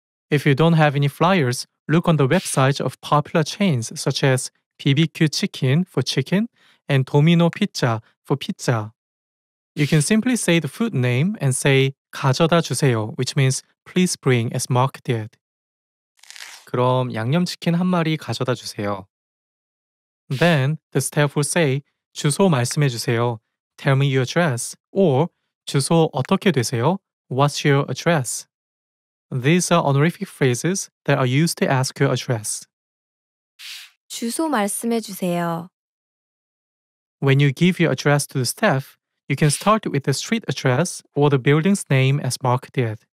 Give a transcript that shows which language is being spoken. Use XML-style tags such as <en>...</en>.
<en>If you don't have any flyers, look on the websites of popular chains such as BBQ Chicken for chicken and Domino Pizza for pizza. You can simply say the food name and say</en> <ko>가져다 주세요,</ko> <en>which means please bring, as Mark did.</en> <ko>그럼 양념치킨 한 마리 가져다 주세요.</ko> <en>Then, the staff will say,</en> <ko>주소 말씀해 주세요.</ko> <en>Tell me your address.</en> <ko>Or, 주소 어떻게 되세요?</ko> <en>What's your address? These are honorific phrases that are used to ask your address.</en> <ko>주소 말씀해 주세요.</ko> <en>When you give your address to the staff, you can start with the street address or the building's name as Mark did.</en>